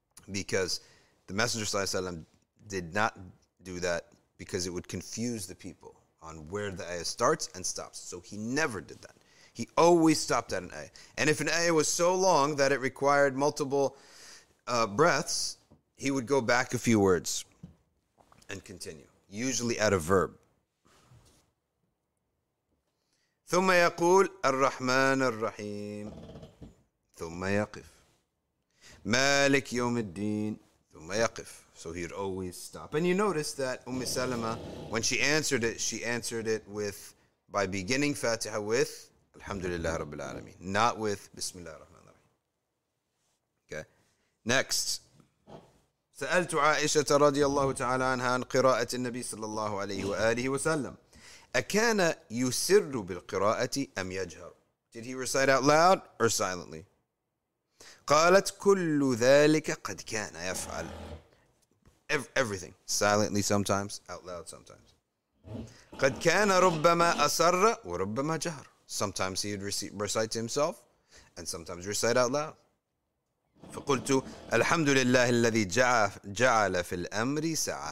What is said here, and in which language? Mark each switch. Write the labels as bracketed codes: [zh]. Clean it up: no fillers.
[en] Because the Messenger did not do that because it would confuse the people on where the ayah starts and stops. So he never did that. He always stopped at an ayah. And if an ayah was so long that it required multiple breaths, he would go back a few words and continue, usually at a verb. [ar] ثم يقول الرحمن الرحيم ثم يقف مالك يوم الدين ثم يقف. [en] So he'd always stop. And you notice that Umm Salama, when she answered it, she answered it with, by beginning Fatiha with [ar] Alhamdulillah Rabbil Alameen, [en] not with [ar] Bismillah Rahman Rahim. [en] Okay. Next. [ar] سألت عائشة رضي الله تعالى عنها عن قراءة النبي صلى الله عليه وآله وسلم أكان يسر بالقراءة أم يجهر. [en] Did he recite out loud or silently? [ar] قالت كل ذلك قد كان يفعل. [en] Everything. Silently sometimes, out loud sometimes. [ar] قد كان ربما أسر وربما جهر. [en] Sometimes he'd recite to himself and sometimes recite out loud. [ar] فقلت الحمد لله الذي جعل في الأمر ساعة.